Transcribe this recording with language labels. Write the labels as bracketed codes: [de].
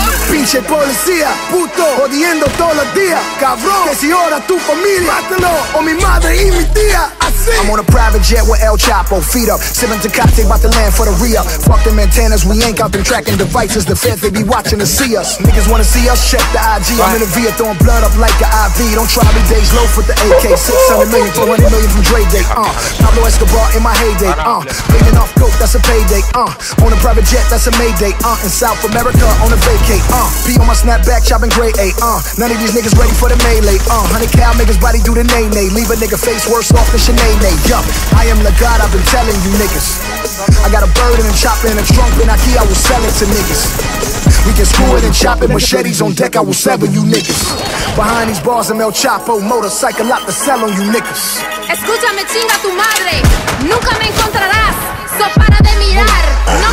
[es] Pinche policía, puto, jodiendo todos los días. Cabrón, que si ahora tu familia, mátalo, o mi madre y mi tía. [en] I'm on a private jet with El Chapo, feet up. Sipping Tecate, about to land for the re-up. Fuck them antennas, we ain't got them tracking devices. The feds, they be watching to see us. Niggas wanna see us, check the IG. I'm in a Via, throwing blood up like an IV. Don't try me, days low with the AK. 600 million, 200 million from Dre Day, Pablo Escobar in my heyday, Paying off coke, that's a payday, On a private jet, that's a mayday, In South America, on a vacay, Be on my snapback, chopping gray, None of these niggas ready for the melee, 100 cal, niggas body do the nay-nay. Leave a nigga face worse off than Sinead. Yo, I am the God, I've been telling you niggas. I got a bird and a chopper and a trunk, and I will sell it to niggas. We can screw it and chop it, machetes on deck, I will sever you niggas. Behind these bars, I'm El Chapo, motorcycle lot to sell on you niggas. [es] Escúchame, chinga tu madre, nunca me encontrarás, so para de mirar.